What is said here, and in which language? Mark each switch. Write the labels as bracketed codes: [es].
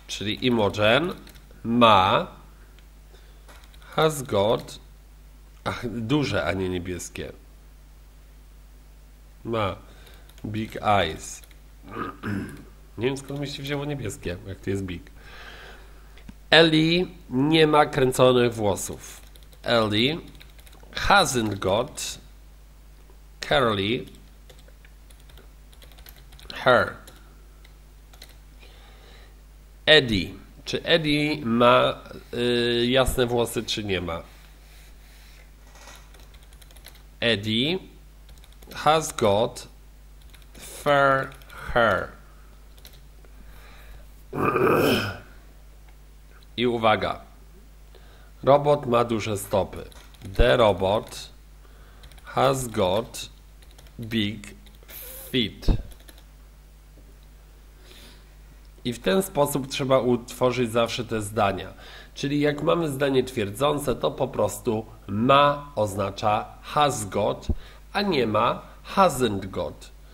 [pl] Czyli Imogen ma, has got, ach, duże, a nie niebieskie. Ma big eyes. Nie wiem, skąd mi się wzięło niebieskie, jak to jest big. Ellie nie ma kręconych włosów. [en] Ellie hasn't got curly hair. Eddie. [pl] Czy Eddie ma jasne włosy, czy nie ma? [en] Eddie has got fair hair. [pl] I uwaga. Robot ma duże stopy. [en] The robot has got big feet. [pl] I w ten sposób trzeba utworzyć zawsze te zdania. Czyli jak mamy zdanie twierdzące, to po prostu ma oznacza has got, a nie ma hasn't got.